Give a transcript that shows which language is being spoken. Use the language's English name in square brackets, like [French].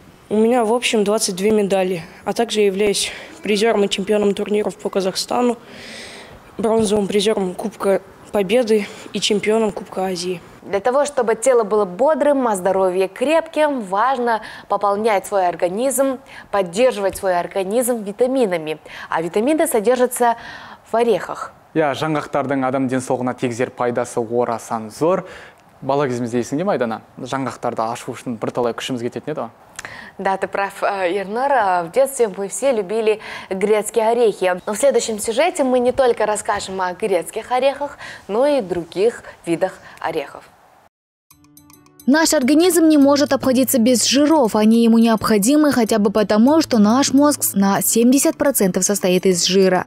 [Russian] У меня в общем 22 медали, а также являюсь призером и чемпионом турниров по Казахстану, бронзовым призером Кубка Победы и чемпионом Кубка Азии. Для того, чтобы тело было бодрым, а здоровье крепким, важно пополнять свой организм, поддерживать свой организм витаминами. А витамины содержатся в орехах. [Kazakh] Я жаңғақтардың адам денсаулығына тигізер пайдасы орасан зор. Бала кезімізде есіңде ме, Айдана? Жаңғақтарды ашу үшін бірталай күшімізге тетін еді. [Russian] Да, ты прав, Ернар. В детстве мы все любили грецкие орехи. Но в следующем сюжете мы не только расскажем о грецких орехах, но и других видах орехов. Наш организм не может обходиться без жиров. Они ему необходимы хотя бы потому, что наш мозг на 70% состоит из жира.